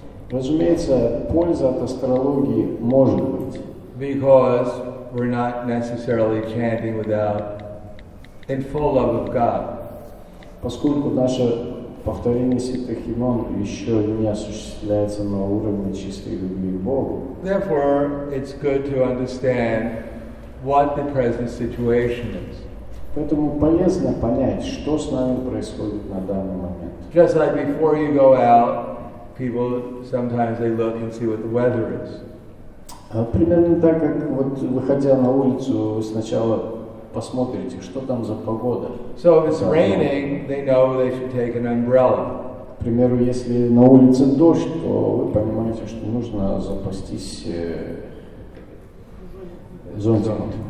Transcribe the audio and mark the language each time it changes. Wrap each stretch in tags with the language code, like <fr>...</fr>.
<ru>Разумеется, польза от астрологии может быть.</ru> <en>Because we're not necessarily chanting without in full love of God.</en> <ru>Поскольку наше повторение святых имен еще не осуществляется на уровне чистой любви к Богу.</ru> <en>Therefore, it's good to understand what the present situation is.</en> <ru>Поэтому полезно понять, что с нами происходит на данный момент.</ru> <en>Just like before you go out, people sometimes they look and see what the weather is.</en> <ru>Примерно так, как вот выходя на улицу, сначала посмотрите, что там за погода.</ru> <en>So if it's raining, they know they should take an umbrella.</en> <ru>К примеру, если на улице дождь, то вы понимаете, что нужно запастись зонтиком.</ru>